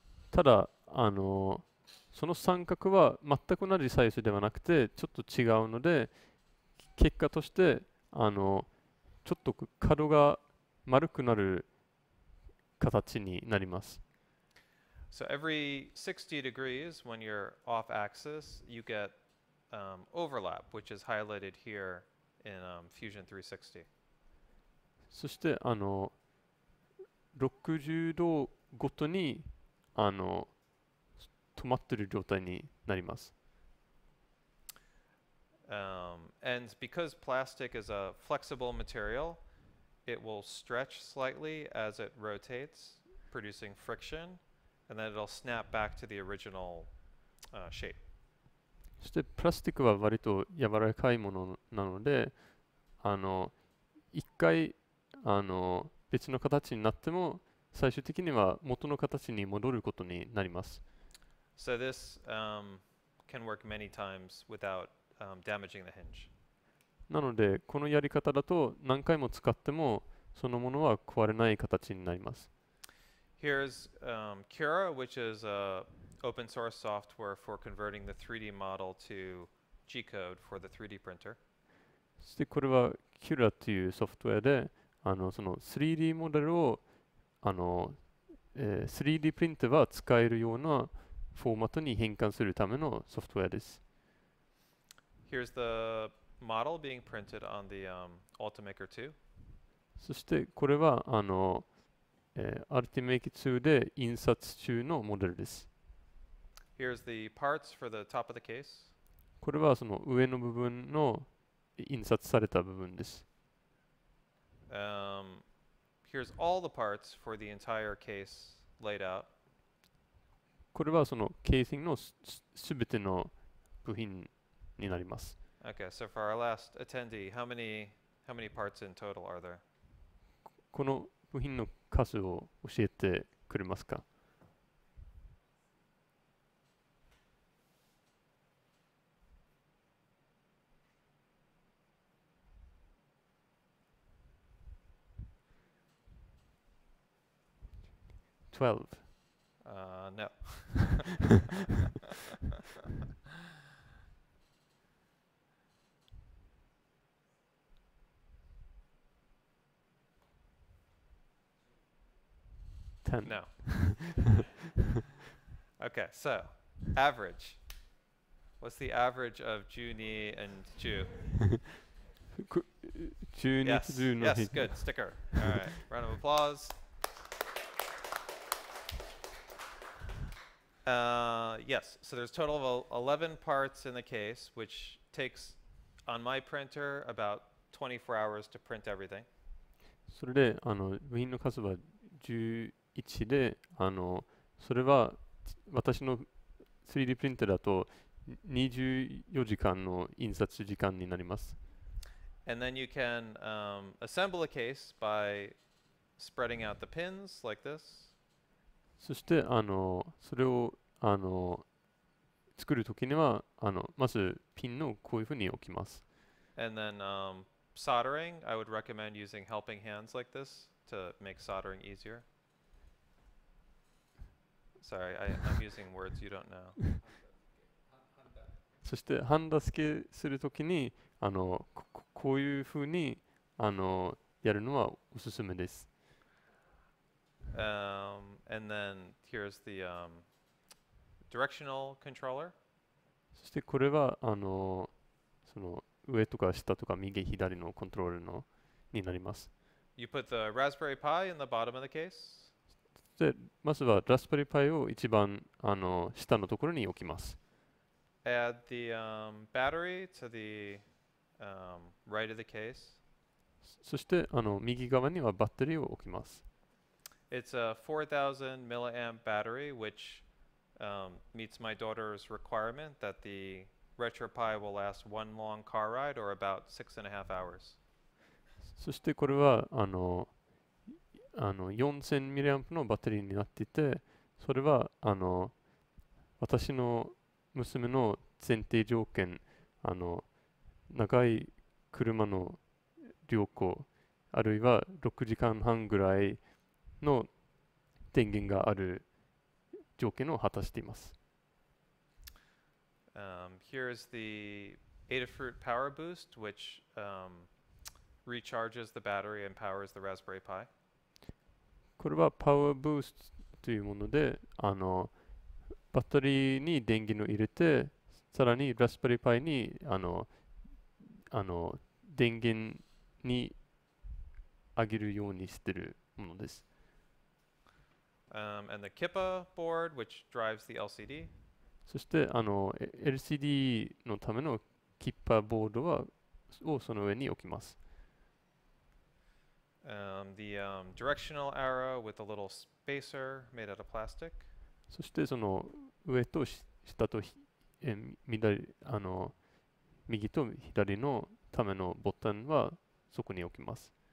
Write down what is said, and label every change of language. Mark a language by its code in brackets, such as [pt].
[ja] ただその三角は全く同じサイズではなくてちょっと違うので、結果としてちょっと角が丸くなる形になります。 [en] So every 60 degrees when you're off axis, you get overlap, which is highlighted here in Fusion 360. [ja] そして60度ごとに止まってる状態になります。 [en] And because plastic is a flexible material, it will stretch slightly as it rotates, producing friction, and then it'll snap back to the original shape. [ja] そしてプラスチックは割と柔らかいものなので、一回別の形になっても、最終的には元の形に戻ることになります。 [en] So this can work many times without damaging the hinge. [ja] なので、このやり方だと何回も使ってもそのものは壊れない形になります。 [en] Here's Cura, which is aOpen source software for converting the 3D model to G code for the 3D printer. [ja] そしてこれは Cura というソフトウェアで、その3D モデルを、3D プリンターは使えるようなフォーマットに変換するためのソフトウェアです。 [en] Here's the model being printed on the Ultimaker [ja] 2. そしてこれは、Ultimaker 2で印刷中のモデルです。 [en] Here's the parts for the top of the case. [ja] これはその上の部分の印刷された部分です。 [en] Here's all the parts for the entire case laid out. [ja] これはそのケーシングのすべての部品になります。 [en] Okay, so for our last attendee, how many parts in total are there? [ja] この部品の数を教えてくれますか? [en] No. Ten. No. Okay, so average. What's the average of Junie and Ju? Junie and Ju. Yes, good. Sticker. All right. Round of applause. Yes, so there's a total of 11 parts in the case, which takes, on my printer, about 24 hours to print everything. [ja] それで、部品の数は11で、それは私の 3D プリンターだと24時間の印刷時間になります。 [en] And then you can assemble a case by spreading out the pins like this. [ja] そして、それを作るときには、まずピンのこういうふうに置きます。 [en] And then soldering, I would recommend using helping hands like this to make soldering easier? Sorry, I'm using words you don't know. [ja] そしてハンダ付けするときにあの こういうふうにあのやるのはおすすめです。 [en] And then here's the directional controller. [ja] そしてこれはあのその上とか下とか右左のコントロールのになります。 [en] You put the Raspberry Pi in the bottom of the case. [ja] でまずはラズベリーパイを一番あの下のところに置きます。 [en] Add the battery to the right of the case. [ja] そしてあの右側にはバッテリーを置きます。 [en] It's a 4000 milliamp battery, which meets my daughter's requirement that the RetroPi will last one long car ride or about 6.5 hours. [ja] そしてこれはあのあの4000ミリアンプのバッテリーになっていて、それはあの私の娘の前提条件、あの長い車の旅行あるいは6時間半ぐらいの電源がある条件を果たしています。 [en] Here is the Adafruit Power Boost, which recharges the battery and powers the Raspberry Pi. [ja] これはパワーブーストというもので、あのバッテリーに電源を入れて、さらにラズベリーパイにあの電源に上げるようにしているものです。 [en] And the Kippa board, which drives the LCD. [ja] そしてあの LCD のためのキッパーボードはをその上に置きます。 [en] The directional arrow with a little spacer made out of plastic. [ja] そしてその上と下と左あの右と左のためのボタンはそこに置きます。